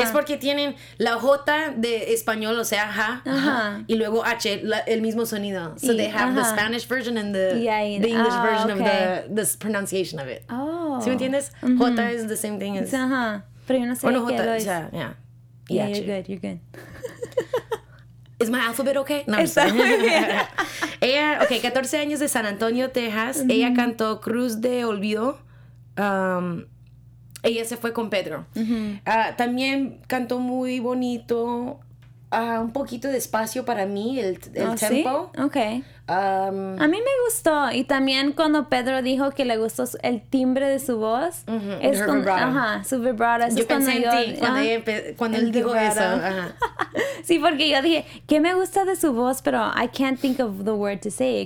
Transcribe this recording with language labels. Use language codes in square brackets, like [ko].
[es] Es porque tienen la J de español, o sea, ja, y luego H, el mismo sonido. [en] So they have the Spanish version and the English version of the pronunciation of it. Oh. [es] ¿Sí me entiendes? Mm-hmm. [en] J is the same thing as... [es] Ajá. Pero yo no sé qué lo es. [en] Yeah, you're good. [es] ¿Es mi alfabet okay? No, está bien. Ella, okay, 14 años de San Antonio, Texas. Mm-hmm. Ella cantó Cruz de Olvido. Ella se fue con Pedro. Mm-hmm. También cantó muy bonito, un poquito despacio para mí, el tempo. ¿Sí? Okay. A mí me gustó. Y también cuando Pedro dijo que le gustó el timbre de su voz. Mm-hmm. Es con, vibrato. Ajá, su vibrato. Yo pensé cuando en ti, cuando él dijo vibrato. Eso. Ajá. Sí, porque yo dije, ¿qué me gusta de su voz? Pero [en] I can't think of the word to say.